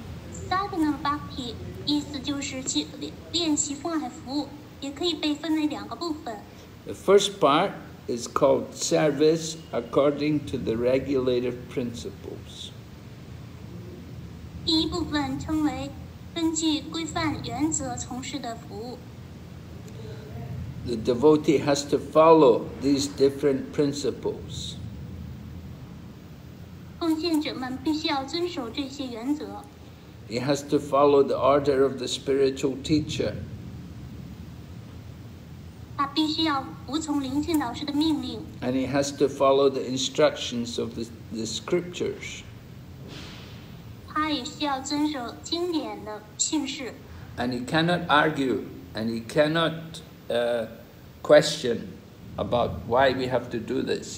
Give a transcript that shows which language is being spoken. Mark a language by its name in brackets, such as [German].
[Chinese] Sadhana bhakti 意思就是练习奉爱服务，也可以被分为两个部分。 [English] The first part. Is called service according to the regulative principles. [Chinese] 第一部分称为根据规范原则从事的服务。 [English] The devotee has to follow these different principles. [Chinese] 奉献者们必须要遵守这些原则。 [English] He has to follow the order of the spiritual teacher. [Chinese] 他必须要服从灵性导师的命令。 [English] And he has to follow the instructions of the scriptures. [Chinese] 他也需要遵守经典的训示。 [English] And he cannot argue, and he cannot question about why we have to do this.